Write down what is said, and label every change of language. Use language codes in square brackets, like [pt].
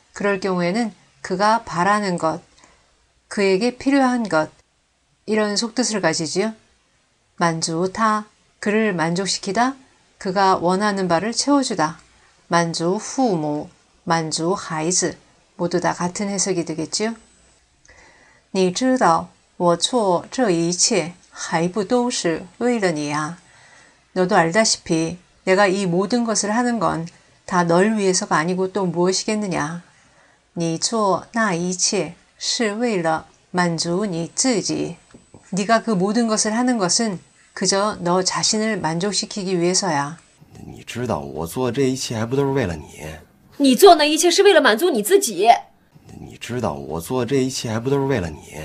[ko] 그럴 경우에는 그가 바라는 것, 그에게 필요한 것 이런 속뜻을 가지지요. 만주 타, 그를 만족시키다. 그가 원하는 바를 채워주다. 만주 후모, 만주 하이즈 모두 다 같은 해석이 되겠지요. [zh] 你知道 我做这一切还不都是为了你啊。 [ko] 너도 알다시피 내가 이 모든 것을 하는 건다널 위해서가 아니고 또 무엇이겠느냐? [zh] 你做那一切是为了满足你自己。 [ko] 네가 그 모든 것을 하는 것은 그저 너 자신을 만족시키기 위해서야. [zh] 你知道我做这一切还不都是为了你？你做那一切是为了满足你自己。你知道我做这一切还不都是为了你？